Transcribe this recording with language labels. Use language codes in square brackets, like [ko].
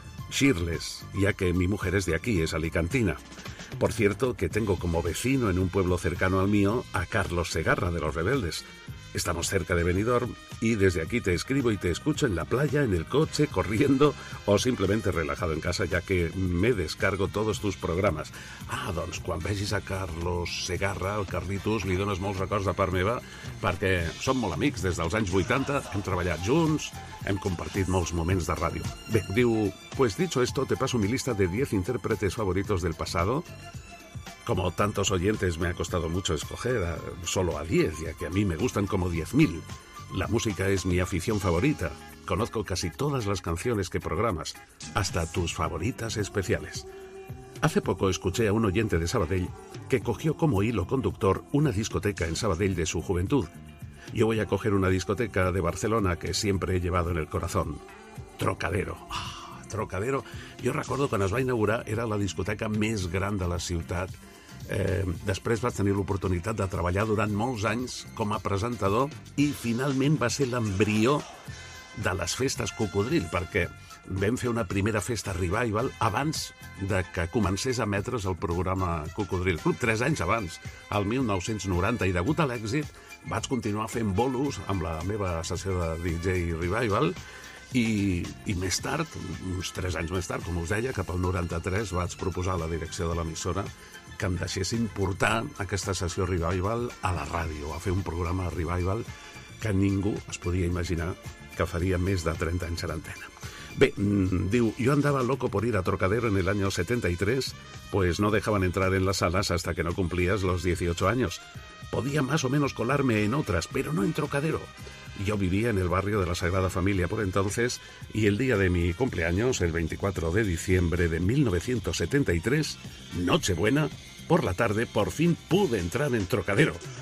[es] Xirles, ya que mi mujer es de aquí, es alicantina. Por cierto, que tengo como vecino en un pueblo cercano al mío a Carlos Segarra de Los Rebeldes. Estamos cerca de Benidorm y desde aquí te escribo y te escucho en la playa, en el coche, corriendo o simplemente relajado en casa, ya que me descargo todos tus programas. [ca] Ah, doncs, quan vegis a Carlos Segarra, al Carlitos, li dones molts records de part meva, perquè som molt amics des dels anys 80, hem treballat junts, hem compartit molts moments de ràdio. Bé, diu, [es] pues dicho esto, te paso mi lista de 10 intérpretes favoritos del pasado. Como tantos oyentes, me ha costado mucho escoger solo a 10, ya que a mí me gustan como 10.000. La música es mi afición favorita. Conozco casi todas las canciones que programas, hasta tus favoritas especiales. Hace poco escuché a un oyente de Sabadell que cogió como hilo conductor una discoteca en Sabadell de su juventud. Yo voy a coger una discoteca de Barcelona que siempre he llevado en el corazón. Trocadero. Trocadero. [ca] Jo recordo quan es va inaugurar era la discoteca més gran de la ciutat. Després vas tenir l'oportunitat de treballar durant molts anys com a presentador i finalment va ser l'embrió de les festes Cocodril, perquè vam fer una primera festa Revival abans de que comencés a emetre's el programa Cocodril Club, 3 anys abans, el 1990, i degut a l'èxit vaig continuar fent bolos amb la meva sessió de DJ Revival I més tard, uns 3 anys més tard, com us deia, cap al 93, vaig proposar a la direcció de l'emissora que em deixessin portar aquesta sessió Revival a la ràdio, a fer un programa Revival que ningú es podia imaginar que faria més de 30 anys a l'antena. Bé, diu, [es] yo andaba loco por ir a Trocadero en el año 73, pues no dejaban entrar en las salas hasta que no cumplías los 18 años. Podía más o menos colarme en otras, pero no en Trocadero. Yo vivía en el barrio de la Sagrada Familia por entonces, y el día de mi cumpleaños, el 24 de diciembre de 1973, Nochebuena, por la tarde, por fin pude entrar en Trocadero.